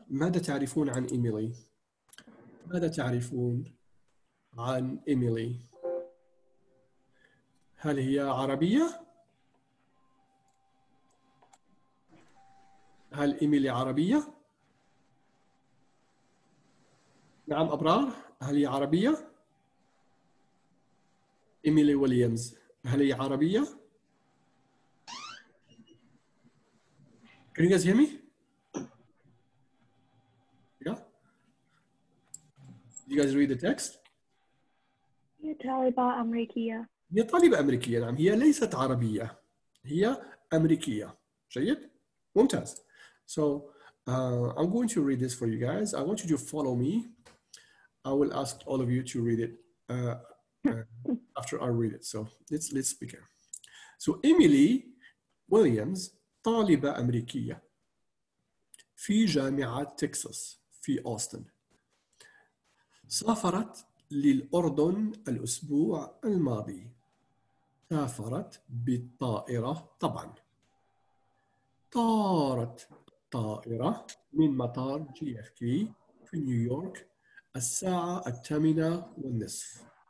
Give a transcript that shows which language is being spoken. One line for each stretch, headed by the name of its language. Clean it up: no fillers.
Arabic: ماذا تعرفون عن إيميلي؟ ماذا تعرفون عن إيميلي؟ هل هي عربية؟ هل إيميلي عربية؟ نعم أبرار هل هي عربية؟ إيميلي ويليامز هل هي عربية؟
English: Can you guys hear me? Yeah. You guys read the text?
Arabic: هي طالبة أمريكية. هي طالبة أمريكية نعم هي ليست عربية هي أمريكية جيد ممتاز.
English: So I'm going to read this for you guys. I want you to follow me. I will ask all of you to read it. After I read it, so let's begin.
Arabic: So Emily Williams, طالبة أمريكية في جامعة تكساس في أوستن. سافرت للأردن الأسبوع الماضي. سافرت بالطائرة طبعاً. طارت طائرة من مطار جي إف كي في نيويورك الساعة 8:30.